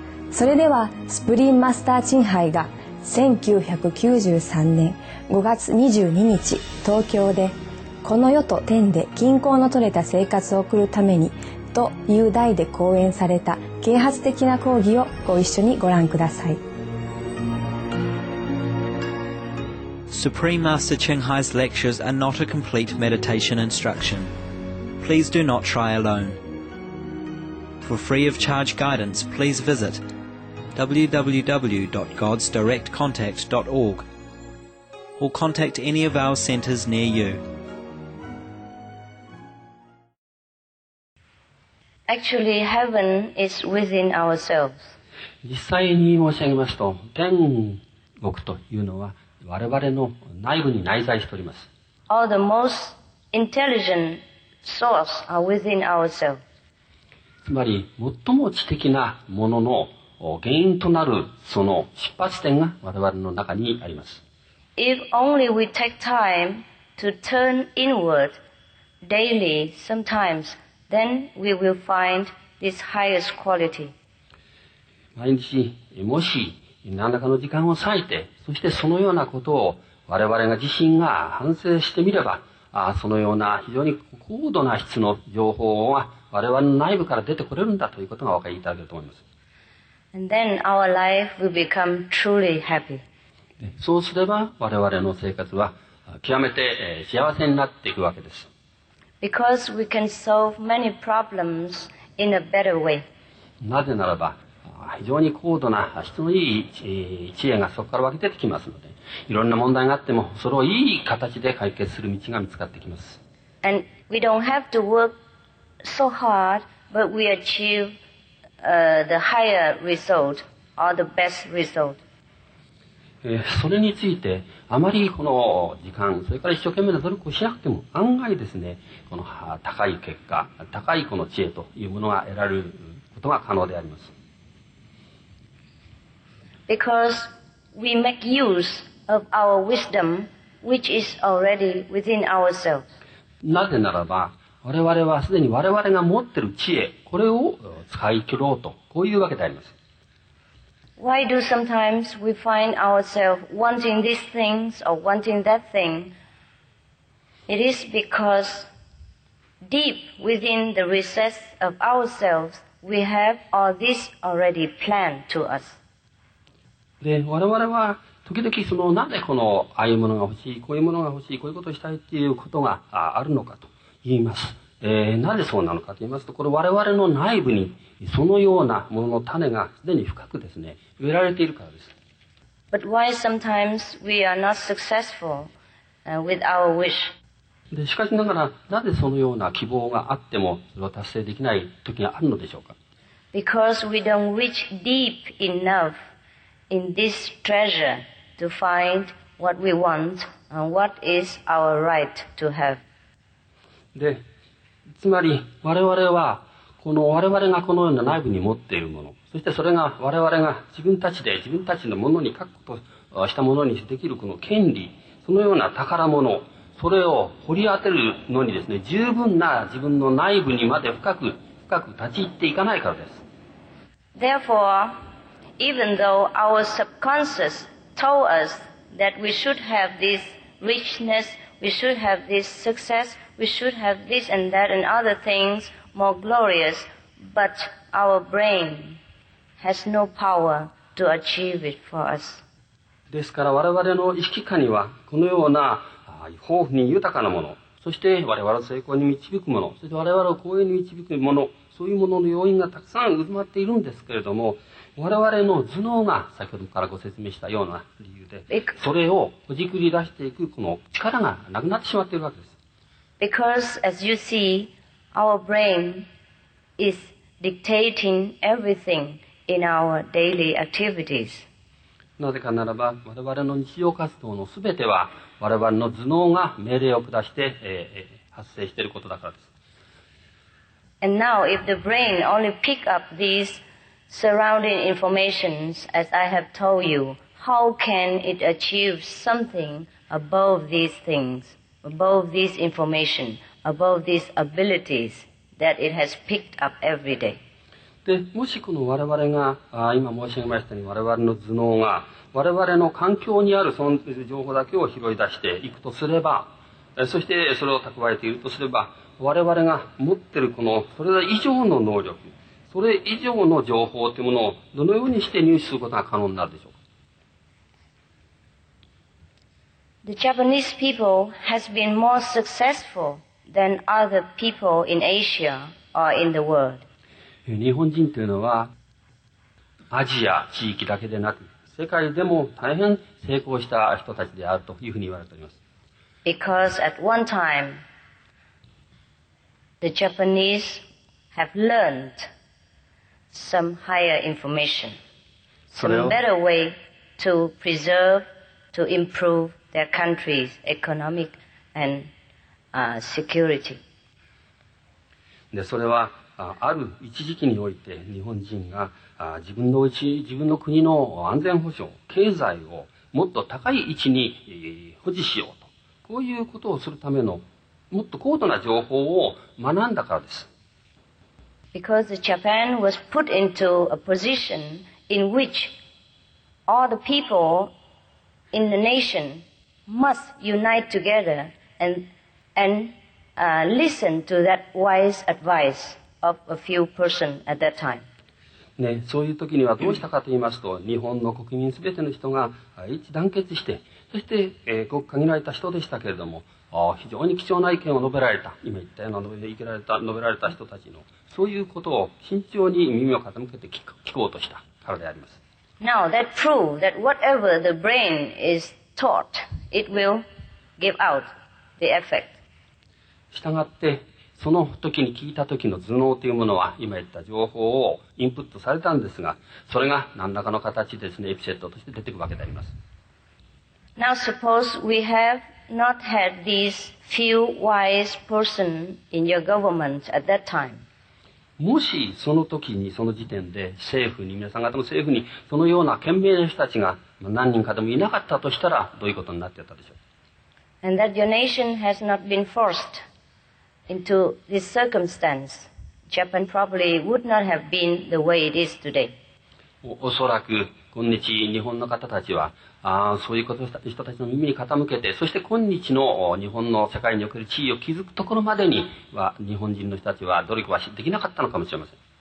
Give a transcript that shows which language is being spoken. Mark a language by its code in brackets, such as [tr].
[ja] それではスプリンマスターチンハイが1993年5月22日東京で、この世と天で均衡の取れた生活を送るためにという題で講演された啓発的な講義をご一緒にご覧ください。 [en] Supreme Master Ching Hai's lectures are not a complete meditation instruction. Please do not try alone. For free of charge guidance, please visit www.godsdirectcontact.org or contact any of our centers near you. Actually, heaven is within ourselves. [ja] 実際に申し上げますと、天国というのは我々の内部に内在しております。 [en] All the most intelligent souls are within ourselves. [ja] つまり、最も知的なものの原因となるその出発点が我々の中にあります。 [en] If only we take time to turn inward daily, sometimes,Then we will find this highest quality. [ja] 毎日もし何らかの時間を割いて、そしてそのようなことを我々が自身が反省してみれば、そのような非常に高度な質の情報が我々の内部から出てこれるんだということがお分かりいただけると思います。 [en] And then our life will become truly happy. [ja] そうすれば我々の生活は極めて幸せになっていくわけです。 [en] Because we can solve many problems in a better way. [ja] なぜならば非常に高度な質のいい知恵がそこから湧き出てきますので、いろんな問題があってもそれをいい形で解決する道が見つかってきます。 [en] And we don't have to work so hard, but we achieve the higher result or the best result. [ja] それについてあまりこの時間、それから一生懸命な努力をしなくても、案外ですね、この高い結果、高いこの知恵というものが得られることが可能であります。 [en] Because we make use of our wisdom, which is already within ourselves. [ja] なぜならば、我々はすでに我々が持っている知恵、これを使い切ろうと、こういうわけであります。 [en] Why do sometimes we find ourselves wanting these things or wanting that thing? It is because deep within the recess of ourselves, we have all this already planned to us. [ja] で、我々は時々そのなぜこのああいうものが欲しい、こういうものが欲しい、こういうことをしたいっていうことがあるのかと言います。なぜそうなのかと言いますと、これ我々の内部にそのようなものの種がすでに深くですね、植えられているからです。 [en] But why sometimes we are not successful with our wish? [ja] で、しかしながら、なぜそのような希望があっても、それを達成できない時があるのでしょうか? [en] Because we don't reach deep enough. In this treasure to find what we want and what is our right to have. [ja] で、つまり我々はこの我々がこのような内部に持っているもの、そしてそれが我々が自分たちで自分たちのものに確保としたものにできるこの権利、そのような宝物、それを掘り当てるのにですね、十分な自分の内部にまで深く立ち入っていかないからです。 [en] Therefore,Even though our subconscious told us that we should have this richness, we should have this success, we should have this and that and other things more glorious, but our brain has no power to achieve it for us. [ja] ですから我々の意識下にはこのような豊富に豊かなもの、そして我々を成功に導くもの、そして我々を幸運に導くもの、そういうものの要因がたくさん渦巻いているんですけれども、我々の頭脳が先ほどからご説明したような理由で、それをほじくり出していくこの力がなくなってしまっているわけです。 [en] Because as you see, our brain is dictating everything in our daily activities. [ja] なぜかならば、我々の日常活動のすべては我々の頭脳が命令を下して、発生していることだからです。 [en] And now, if the brain only pick up these surrounding informations, as I have told you, how can it achieve something above these things, above this information, above these abilities that it has picked up every day? [ja] で、もしこの我々が、今申し上げましたように、我々の頭脳が我々の環境にあるその情報だけを拾い出していくとすれば、そしてそれを蓄えているとすれば、我々が持っているこのそれ以上の能力、それ以上の情報というものをどのようにして入手することが可能になるでしょうか。 [en] The Japanese people has been more successful than other people in Asia or in the world. [ja] 日本人というのはアジア地域だけでなく世界でも大変成功した人たちであるというふうに言われております。 [en] Because at one time, the Japanese have learned some higher information, some better way to preserve, to improve their country's economic and security. [ja] で、それはある一時期において日本人が自分のうち自分の国の安全保障、経済をもっと高い位置に保持しようと。こういうことをするためのもっと高度な情報を学んだからです。 [en] Because Japan was put into a position in which all the people in the nation must unite together and listen to that wise advice of a few persons at that time. [ja] ね、そういう時にはどうしたかと言いますと、日本の国民すべての人が一致団結して、そして、ごく限られた人でしたけれども、非常に貴重な意見を述べられた、今言ったような述べられた人たちの、そういうことを慎重に耳を傾けて聞こうとしたからであります。 [en] Now that proves that whatever the brain is taught, it will give out the effect. [ja] したがって、その時に聞いた時の頭脳というものは、今言った情報をインプットされたんですが、それが何らかの形でですね、エピセットとして出てくるわけであります。 [en] Now suppose we have not had these few wise persons in your government at that time. [ja] もしその時に、その時点で政府に、皆さん方の政府に、そのような賢明な人たちが何人かでもいなかったとしたら、どういうことになっていたでしょう。 [en] And that your nation has not been forced. Into this circumstance, Japan probably would not have been the way it is today. [ja] おそらく今日日本の方たちは、そういうことした人たちの耳に傾けて、そして今日の日本の世界における地位を築くところまでには、日本人の人たちは努力はできなかったのかもしれません。